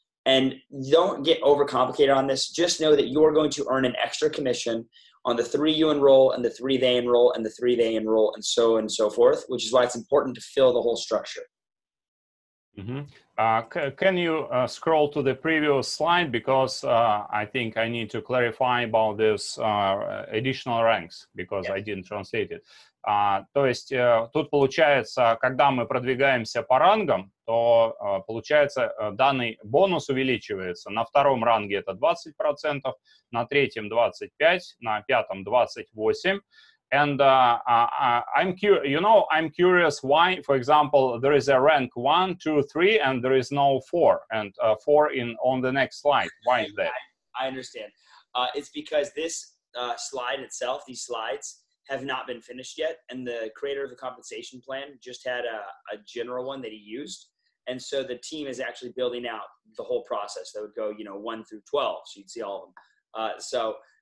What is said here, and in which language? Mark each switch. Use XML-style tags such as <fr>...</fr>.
<en>And don't get overcomplicated on this. Just know that you are going to earn an extra commission on the three you enroll and the three they enroll and the three they enroll and so forth, which is why it's important to fill the whole structure. Mm-hmm. Can you scroll to the previous slide? Because I think I need to clarify about this additional ranks, because yeah. I didn't translate it.</en> <ru>То есть тут получается, когда мы продвигаемся по рангам, то получается данный бонус увеличивается. На втором ранге это 20%, на третьем 25%, на пятом 28%.</ru> <en>And I'm curious why, for example, there is a rank 1, 2, 3, and there is no 4, and 4 on the next slide. Why is that? I understand. It's because this slide itself, these slides, have not been finished yet, and the creator of the compensation plan just had a general one that he used, and so the team is actually building out the whole process that would go, you know, 1 through 12, so you'd see all of them.</en>